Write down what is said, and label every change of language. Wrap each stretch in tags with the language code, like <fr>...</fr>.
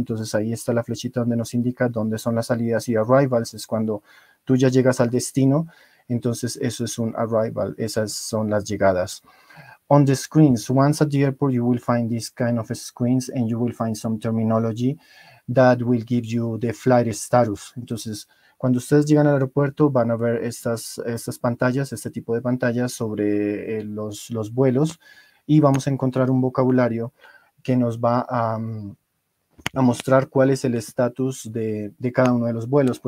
<es>Entonces, ahí está la flechita donde nos indica dónde son las salidas, y arrivals es cuando tú ya llegas al destino. Entonces, eso es un arrival, esas son las llegadas.</es> <en>On the screens, once at the airport, you will find this kind of screens and you will find some terminology that will give you the flight status.</en> <es>Entonces, cuando ustedes llegan al aeropuerto, van a ver estas pantallas, este tipo de pantallas sobre los vuelos, y vamos a encontrar un vocabulario que nos va a mostrar cuál es el estatus de cada uno de los vuelos.</es>